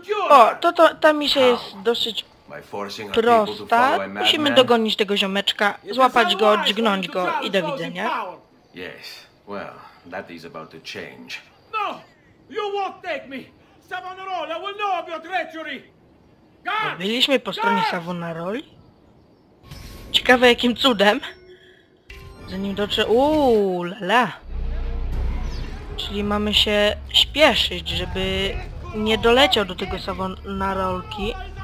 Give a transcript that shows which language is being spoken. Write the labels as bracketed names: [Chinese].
[Polish] O, ta misja jest dosyć prosta. Musimy dogonić tego ziomeczka, złapać go, dźgnąć go i do widzenia. [English] Yes. Well, that is about to change. No! You won't take me! Savonarola will know of your treachery! Guard! [Polish] Byliśmy po stronie Savonaroli? Ciekawe jakim cudem? Zanim dotrze... Uuu, lala! Czyli mamy się śpieszyć, żeby nie doleciał do tego Savonarolki.